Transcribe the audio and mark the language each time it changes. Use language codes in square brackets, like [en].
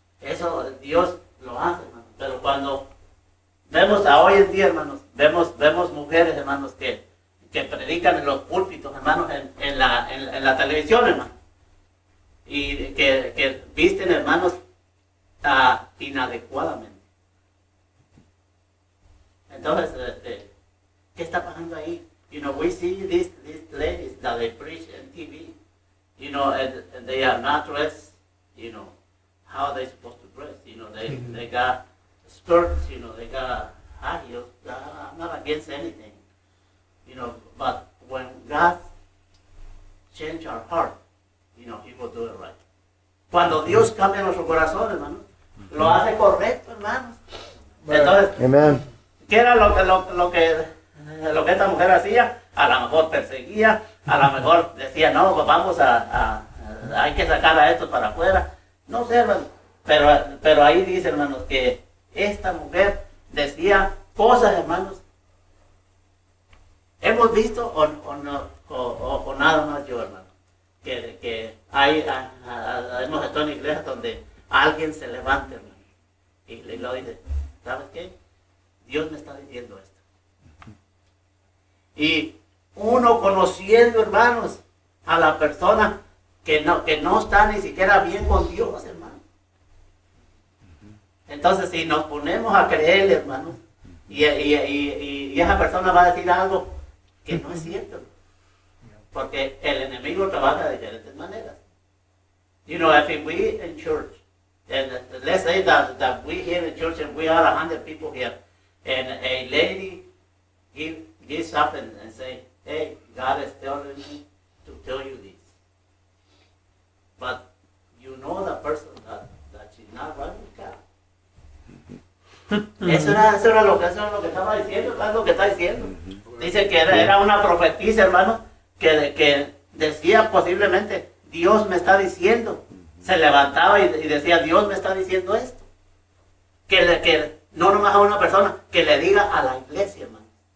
[es] Eso Dios lo hace, hermanos. Pero cuando vemos a hoy en día, hermanos, vemos mujeres, hermanos, que predican en los púlpitos, hermanos, en la televisión, hermano, y que visten, hermanos, inadecuadamente. Entonces, ¿qué está pasando ahí? [en] You know, we see these ladies that they preach on TV. You know, and they are not dressed, you know, how are they supposed to dress? You know, they got skirts, you know, they got high heels. I'm not against anything, you know, but when God changed our heart, you know, he will do it right. [es] Cuando Dios cambia nuestro corazón, hermano, lo hace correcto, hermano. Entonces, amen. ¿Qué era lo que esta mujer hacía? A lo mejor perseguía, a lo mejor decía, no, pues vamos a hay que sacar a estos para afuera. No sé, hermano, pero ahí dice, hermanos, que esta mujer decía cosas, hermanos. ¿Hemos visto o nada más yo, hermano? Que hay, hemos estado en iglesias donde alguien se levanta, hermano, y le dice, ¿sabes qué? Dios me está diciendo esto. Y uno conociendo, hermanos, a la persona que no está ni siquiera bien con Dios, hermano. Entonces, si nos ponemos a creer, hermano, y esa persona va a decir algo que no es cierto, porque el enemigo trabaja de diferentes maneras. [en] You know, if we in church, and let's say that we here in church and we are 100 people here, and a lady gives up and say, hey, God is telling me to tell you this. But you know the person that she's not running with God. [es] Eso era lo que estaba diciendo, es lo que está diciendo. Dice que era una profetisa, hermano, que decía posiblemente, Dios me está diciendo. Se levantaba y decía, Dios me está diciendo esto. Que no nomás a una persona, que le diga a la iglesia, hermano.